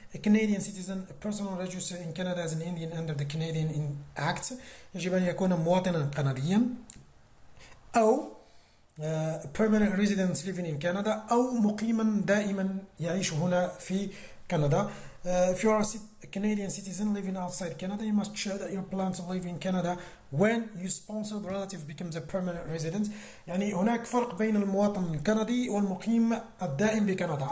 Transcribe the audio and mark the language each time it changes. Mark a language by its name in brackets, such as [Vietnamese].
[English] A Canadian citizen, a person registered in Canada as an Indian under the Canadian Act، [Arabic] يجب أن يكون مواطنا كنديا. أو [English] a permanent resident living in Canada، [Arabic] أو مقيما دائما يعيش هنا في كندا. [English] If you are a Canadian citizen living outside Canada، you must show that you plan to live in Canada when your sponsored relative becomes a permanent resident. [Arabic] يعني هناك فرق بين المواطن الكندي والمقيم الدائم بكندا.